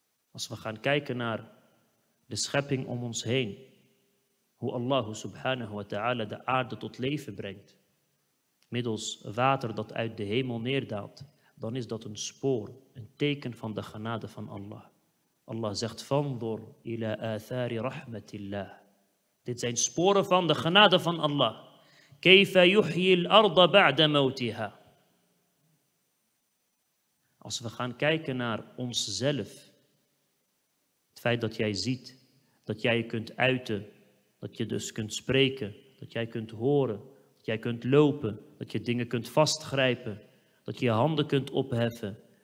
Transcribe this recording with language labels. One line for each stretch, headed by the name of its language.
Dutch: Als we gaan kijken naar de schepping om ons heen, hoe Allah subhanahu wa ta'ala de aarde tot leven brengt, middels water dat uit de hemel neerdaalt, dan is dat een spoor, een teken van de genade van Allah. Allah zegt,
Arabic: فَانْظُرْ إِلَىٰ آثَارِ رَحْمَةِ اللَّهِ.
Dutch: Dit zijn sporen van de genade van Allah.
Arabic: كَيْفَ يُحْيِي الْأَرْضَ بَعْدَ مَوْتِهَا.
Dutch: Als we gaan kijken naar onszelf, het feit dat jij ziet, dat jij je kunt uiten, dat je dus kunt spreken, dat jij kunt horen, dat jij kunt lopen, dat je dingen kunt vastgrijpen, dat je je handen kunt opheffen.